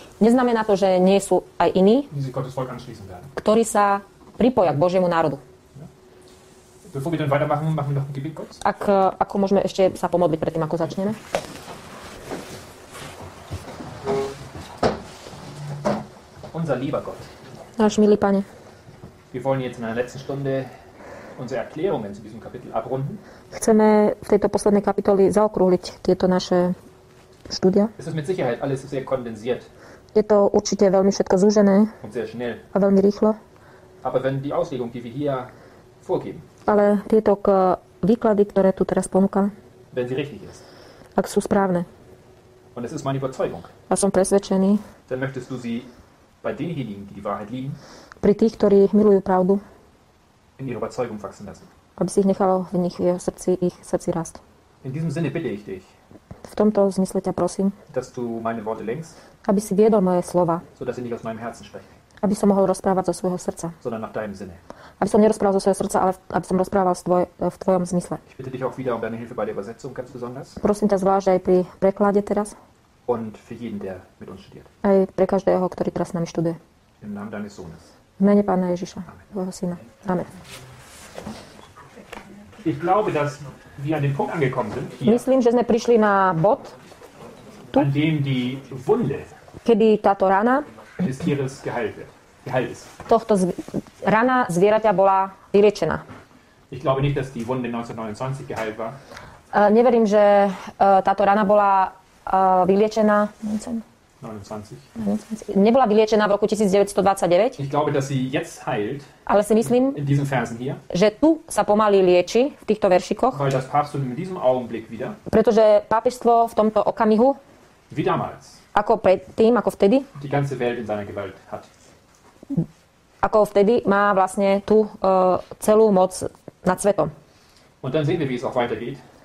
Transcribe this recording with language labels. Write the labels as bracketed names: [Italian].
[Slovak] Neznamená to, že nie sú aj iní, ktorí sa pripoja k Božiemu národu. [German] Bevor wir dann weitermachen, machen wir noch ein Gebet kurz. [Slovak] Ako môžeme ešte sa pomodliť predtým, ako začneme? [German] Unser lieber Gott. [Slovak] Náš milý Pane. [German] Wir wollen jetzt in einer letzten Stunde unsere Erklärungen zu diesem Kapitel abrunden. [Slovak] Chceme v tejto poslednej kapitoli zaokrúhliť tieto naše štúdia. [German] Es ist mit Sicherheit alles sehr kondensiert. [Slovak] Je to určite veľmi všetko zúžené a veľmi rýchlo. [German] Aber wenn die Auslegung, die wir hier vorgeben, [Slovak] ale tieto výklady, ktoré tu teraz ponúkam, [German] wenn sie richtig ist, [Slovak] ak sú správne, [German] und es ist meine Überzeugung, [Slovak] a som presvedčený, [German] dann möchtest du sie bei denjenigen, die die Wahrheit lieben, [Slovak] pri tých, ktorí milujú pravdu, [German] in ihrer Überzeugung wachsen lassen, [Slovak] aby si ich nechalo v nich v srdci, ich srdci rast. [German] In diesem Sinne bitte ich dich, [Slovak] v tomto zmysle ťa prosím, [German] dass du meine Worte lenkst, [Slovak] aby si viedol moje slova, [German] so dass ich nicht aus meinem Herzen spreche, [Slovak] aby som mohol rozprávať zo svojho srdca, [German] sondern nach deinem Sinne, [Slovak] aby som nerozprával zo svojho srdca, ale aby som rozprával v tvojom zmysle. [German] Ich bitte dich auch wieder um deine Hilfe bei der Übersetzung, ganz besonders, [Slovak] prosím ťa zvlášť aj pri preklade teraz, [German] und für jeden, der mit uns studiert, [Slovak] aj pre každého, ktorý teraz s nami študuje, [German] im Namen deines Sohnes, [Slovak] v mene Pána Ježiša, tvojho syna. Amen. [German] Ich glaube, dass wir an den Punkt angekommen sind, hier, [Slovak] myslím, že sme prišli na bod, tu, [German] an dem die Wunde, [Slovak] kedy táto rana, [German] des Tieres geheilt wird. [Slovak] Tohto rana zvieraťa bola vyliečená. [German] Ich glaube nicht, dass die Wunde 1929 geheilt war. [Slovak] Neverím, že táto rana bola vyliečená. [German] 29. [Slovak] Nebola vyliečená v roku 1929. [German] Ich glaube, dass sie jetzt heilt. [Slovak] Ale si myslím, [German] in diesen Versen hier, [Slovak] že tu sa pomaly lieči v týchto veršikoch. [German] Weil das Papsttum in diesem Augenblick wieder. [Slovak] Pretože pápežstvo v tomto okamihu. [German] Wie damals. [Slovak] Ako predtým, ako vtedy. [German] Die ganze Welt in seiner Gewalt hat. [Slovak] Ako vtedy má vlastne tú celú moc nad svetom. [German] Und dann sehen wir, wie es auch weitergeht.